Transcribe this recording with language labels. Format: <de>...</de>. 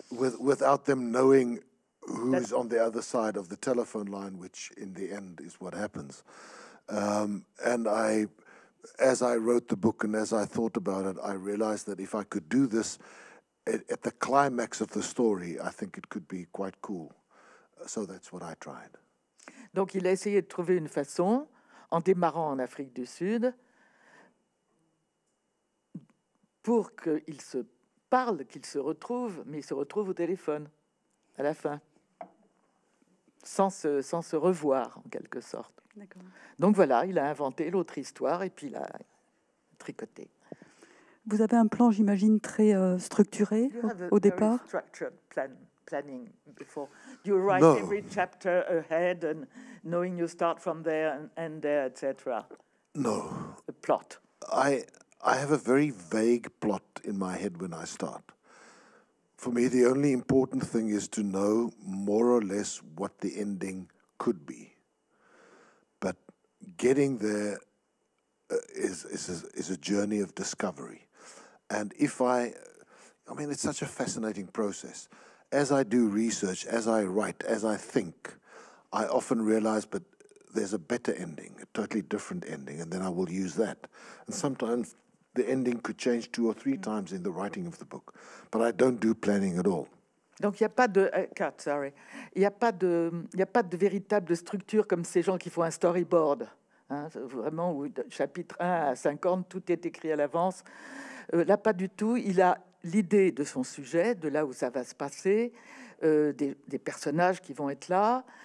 <en>Without them knowing who is on the other side of the telephone line, which in the end is what happens. And I, as I wrote the book and as I thought about it, I realized that if I could do this at the climax of the story, I think it could be quite cool. So that's what I tried.</en> <fr>Donc, il a essayé de trouver une façon, en démarrant en Afrique du Sud, pour qu'il se parle, qu'il se retrouve, mais il se retrouve au téléphone, à la fin, sans se revoir, en quelque sorte. D'accord. Donc voilà, il a inventé l'autre histoire et puis il a tricoté. Vous avez un plan, j'imagine, très structuré au départ.</fr> <en>Structured plan. Planning before you write no. Every chapter ahead and knowing you start from there and there, etc. No. A plot. I have a very vague plot in my head when I start. For me, the only important thing is to know more or less what the ending could be. But getting there is a journey of discovery. And if I mean, it's such a fascinating process. As I do research, as I write, as I think, I often realize, but there's a better ending, a totally different ending, and then I will use that. And sometimes the ending could change two or three times in the writing of the book, but I don't do planning at all.</en> <fr>Donc il y a pas de il y a pas de véritable structure comme ces gens qui font un storyboard, hein, vraiment où chapitre 1 à 50 tout est écrit à l'avance. Là pas du tout, il a l'idée de son sujet, de là où ça va se passer, des personnages qui vont être là.</fr>